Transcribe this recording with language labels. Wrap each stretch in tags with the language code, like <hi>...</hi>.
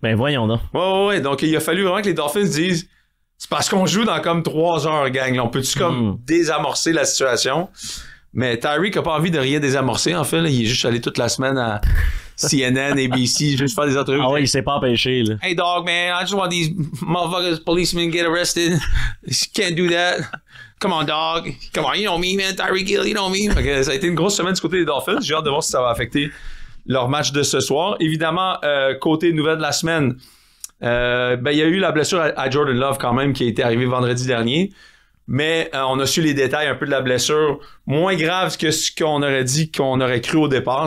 <fr>Ben voyons donc. Ouais. Donc il a fallu vraiment que les Dolphins disent c'est parce qu'on joue dans comme 3 heures, gang. Là, on peut-tu comme désamorcer la situation? Mais Tyreek a pas envie de rien désamorcer, en fait. Là. Il est juste allé toute la semaine à CNN, ABC, juste faire des entrevues. Ah ouais, il s'est pas empêché, là.</fr> <en>Hey dog, man, I just want these motherfuckers policemen get arrested. You can't do that. Come on, dog. Come on, you know me, man. Tyreek Hill, you know me.</en> <fr>Fait que ça a été une grosse semaine du côté des Dolphins. J'ai hâte de voir si ça va affecter leur match de ce soir. Évidemment, côté nouvelle de la semaine, ben, il y a eu la blessure à Jordan Love quand même qui a été arrivée vendredi dernier. Mais on a su les détails un peu de la blessure. Moins grave que ce qu'on aurait dit, qu'on aurait cru au départ.</fr>